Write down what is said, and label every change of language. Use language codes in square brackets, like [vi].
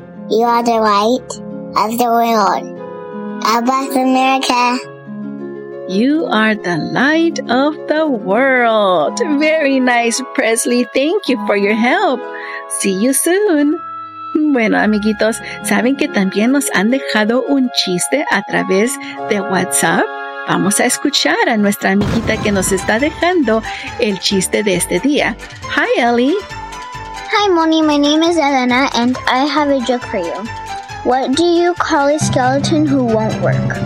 [en] You are the light of the world. God bless America. You are the light of the world. Very nice, Presley. Thank you for your help. See you soon. [es] Bueno, amiguitos, ¿saben que también nos han dejado un chiste a través de WhatsApp? Vamos a escuchar a nuestra amiguita que nos está dejando el chiste de este día. [en] Hi, Ellie. Hi, Moni. My name is Elena, and I have a joke for you. What do you call a skeleton who won't work?